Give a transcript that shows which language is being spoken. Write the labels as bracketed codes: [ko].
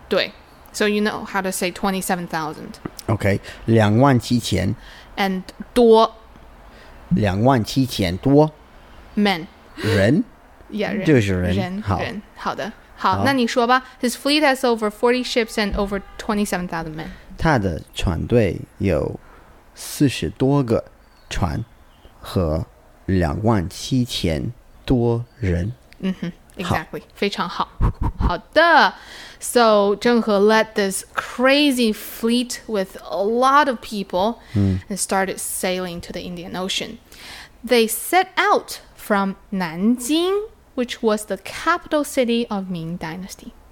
[en] 对。So you know how to say 27,000. [zh] Okay. 两万七千。 [en] And 多。 [zh] 两万七千多。 [en] Men. [zh] 人。 Yeah, 人。就是人。人。好。人。好的。好, 好，那你说吧。 [en] His fleet has over 40 ships and over 27,000 men. [zh] 他的船队有四十多个船和两万七千多人。嗯哼，exactly，非常好。好的。 [en] So, 郑和 led this crazy fleet with a lot of people and started sailing to the Indian Ocean. They set out from 南京。Which was the capital city of Ming Dynasty.